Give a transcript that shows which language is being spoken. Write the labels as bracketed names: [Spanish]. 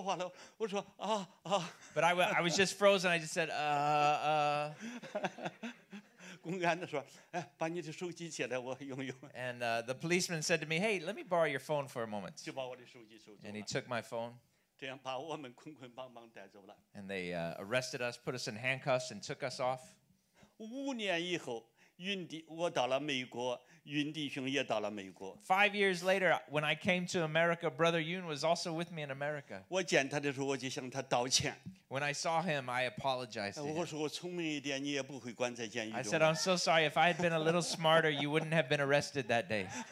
[Chinese] 但是我不会说话了，我说啊啊。 [English] But I was just frozen. I just said [Chinese] 公安的说，哎，把你的手机借来，我用用。 [English] And the policeman said to me, "Hey, let me borrow your phone for a moment." [Chinese] 就把我的手机收走了。 [English] And he took my phone. [Chinese] 这样把我们捆捆绑绑带走了。 [English] And they arrested us, put us in handcuffs, and took us off. [Chinese] 5年以后，云弟我到了美国。云弟兄也到了美国。 [English] 5 years later, when I came to America, Brother Yun was also with me in America. [Chinese] 我见他的时候，我就向他道歉。 [English] When I saw him, I apologized to him. [Chinese] 我说我聪明一点，你也不会关在监狱。 [English] I said, "I'm so sorry. If I had been a little smarter, you wouldn't have been arrested that day."